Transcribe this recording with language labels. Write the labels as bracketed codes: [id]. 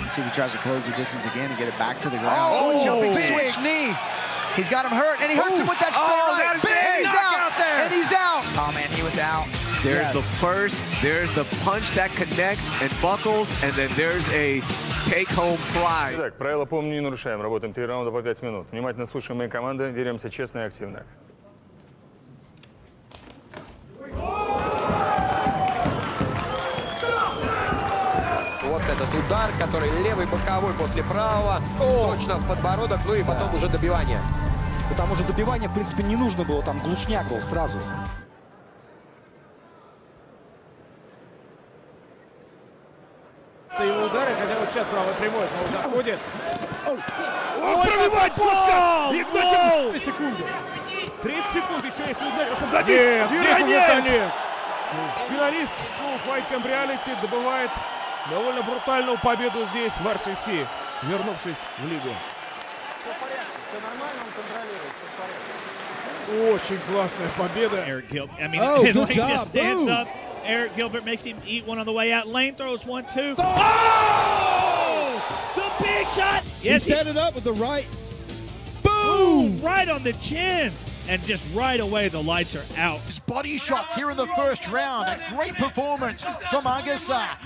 [en] Let's see if he tries to close the distance again and get it back to the ground. Oh, jumping big switch knee. He's got him hurt, and he hurts him with that straight right. That is big and he's out. Oh, man, he was out. There's the first. There's the punch that connects and buckles, and then there's a take-home fly. [ru] Итак, правила помним, не нарушаем. Работаем 3 раунда по 5 минут. Внимательно слушаем мои команды. Деремся честно и активно. Вот этот удар, который левый боковой после правого. Точно в подбородок, ну и потом уже добивание. Потому что добивание, в принципе, не нужно было. Там глушняк был сразу. Его удары, хотя вот сейчас правый прямой снова заходит. Пробивать пошло! 30 секунд! 30 секунд еще есть удар! Нет, наконец! Финалист шоу Fight Camp Reality добывает довольно брутальную победу здесь, в RCC, вернувшись в лигу. Все в порядке, все нормально, он контролирует, все в порядке. Очень классная победа. [en] Eric Gilbert, I mean, oh, good job. Just stands Boom. Up. Eric Gilbert makes him eat one on the way out. Lane throws 1-2. Oh! Oh! The big shot. Yes, he set it up with the right. Boom! Ooh, right on the chin. And just right away, the lights are out. His body shots here in the first round. A great performance from Agassa.